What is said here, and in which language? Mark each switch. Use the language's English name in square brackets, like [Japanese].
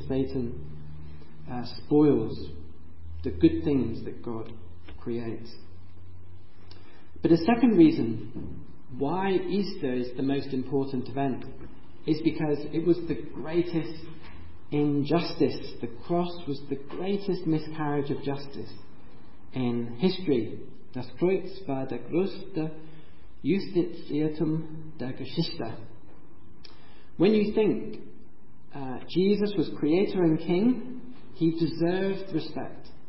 [English] Satan spoils the good things that God creates. But a second reason why Easter is the most important event is because it was the greatest injustice. The cross was the greatest miscarriage of justice in history. [German] Das Kreuz war der größte Justizirrtum der Geschichte. [English] When you think Jesus was creator and king, he deserved respect.